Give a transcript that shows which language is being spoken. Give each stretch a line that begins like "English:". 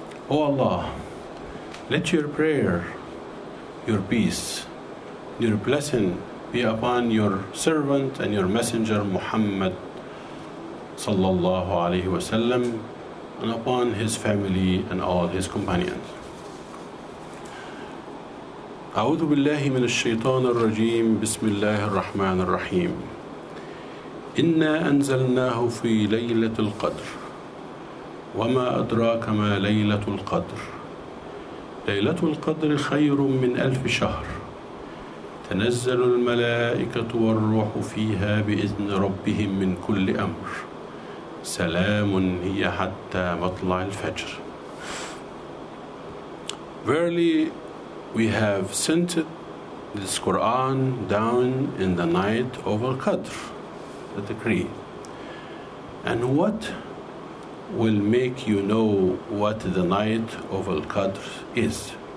English: O Allah, let your prayer, your peace, your blessing be upon your servant and your messenger Muhammad sallallahu alayhi wa sallam, and upon his family and all his companions.
Arabic: أعوذ بالله من الشيطان الرجيم بسم الله الرحمن الرحيم إنا أنزلناه في ليلة القدر وما أدراك ما ليلة القدر ليلة القدر خير من ألف شهر تنزل الملائكة والروح فيها بإذن ربهم من كل أمر سلام هي حتى مطلع الفجر.
English: Verily, we have sent this Quran down in the night of Al-Qadr, the decree. And what will make you know what the night of Al-Qadr is?